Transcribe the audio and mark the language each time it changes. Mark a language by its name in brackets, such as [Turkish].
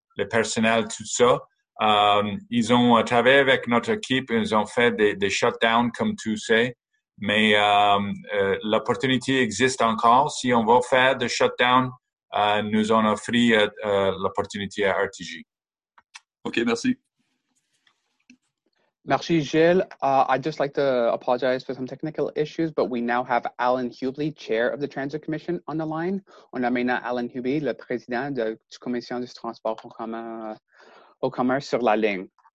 [French] Le personnel, tout ça. Ils ont travaillé avec notre équipe, ils ont fait des shutdowns, comme tu sais, mais l'opportunité existe encore. Si on veut faire des shutdowns, nous en offrir l'opportunité à RTG. OK, merci. Merci, Gilles. [English] I'd just like to apologize for some technical issues, but we now have Alan Hubley, Chair of the Transit Commission, on the line. [French] On a maintenant Alan Hubley, le président de la Commission du transport au commerce sur la ligne.